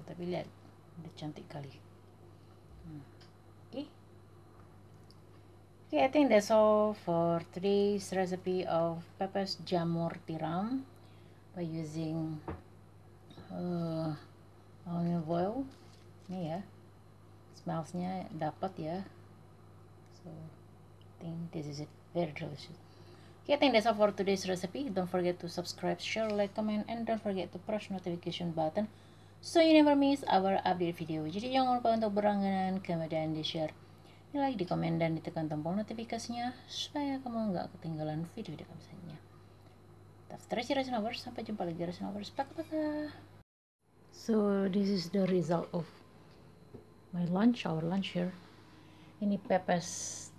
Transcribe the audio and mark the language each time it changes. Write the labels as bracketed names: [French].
[Indonesian] Tapi lihat, udah cantik kali. [English] Okay, I think that's all for today's recipe of peppers jamur tiram by using olive oil. [Indonesian] Ini ya, smellsnya dapat ya. [English] So I think this is it, very delicious. Okay, I think that's all for today's recipe. Don't forget to subscribe, share, like, comment, and don't forget to press notification button so you never miss our update video. [Indonesian] Jadi jangan lupa untuk berlangganan, kemudian di share, di like, di komen, dan ditekan tombol notifikasinya supaya kamu nggak ketinggalan video-video kami selanjutnya. Terima kasih lovers, sampai jumpa lagi Resin lovers. Bye-bye. [English] So this is the result of my lunch, our lunch here. [Indonesian] Ini pepes